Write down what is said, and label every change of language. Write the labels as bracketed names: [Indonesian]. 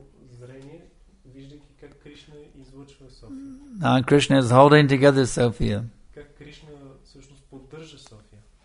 [Bulgarian] зрение, виждайки как Кришна излъчва София. [English] And Krishna is holding together Sophia. [Bulgarian] Как Кришна всъщност поддържа София.